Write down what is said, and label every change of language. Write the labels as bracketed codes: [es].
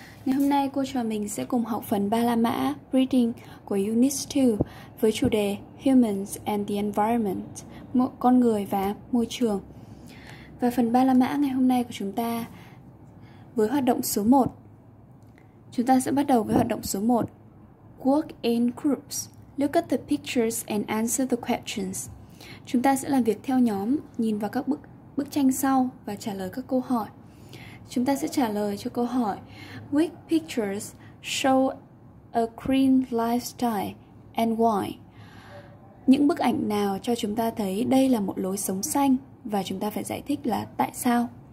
[vi] Ngày hôm nay cô trò mình sẽ cùng học phần ba la mã Reading của Unit 2 với chủ đề Humans and the Environment, con người và môi trường. Và phần ba la mã ngày hôm nay của chúng ta với hoạt động số 1. Chúng ta sẽ bắt đầu với hoạt động số 1. [en] Work in groups. Look at the pictures and answer the questions. [vi] Chúng ta sẽ làm việc theo nhóm, nhìn vào các bức tranh sau và trả lời các câu hỏi. Chúng ta sẽ trả lời cho câu hỏi: [en] Which pictures show a green lifestyle and why? [vi] Những bức ảnh nào cho chúng ta thấy đây là một lối sống xanh và chúng ta phải giải thích là tại sao?